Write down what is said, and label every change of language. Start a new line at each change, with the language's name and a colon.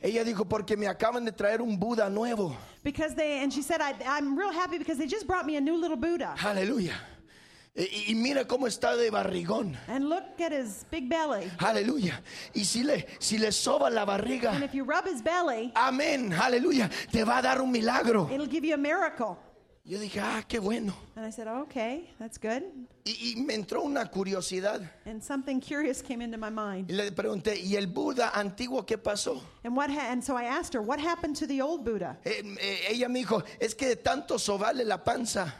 Spanish: Ella dijo, porque me acaban de traer un Buda nuevo.
English: Because they, and she said, I'm real happy because they just brought me a new little Buddha.
Spanish: Hallelujah. Y mira cómo está de barrigón.
English: And look at his big belly.
Spanish: Aleluya. Y si le soba la barriga.
English: And if you rub his belly.
Spanish: Amén. Aleluya. Te va a dar un milagro.
English: It'll give you a miracle.
Spanish: Yo dije, ah, qué bueno.
English: And I said, oh, okay, that's good.
Spanish: Y me entró una curiosidad.
English: And something curious came into my mind.
Spanish: Y le pregunté, ¿y el Buda antiguo qué pasó?
English: And so I asked her, what happened to the old Buddha?
Spanish: Ella me dijo, es que de tanto sobarle la panza.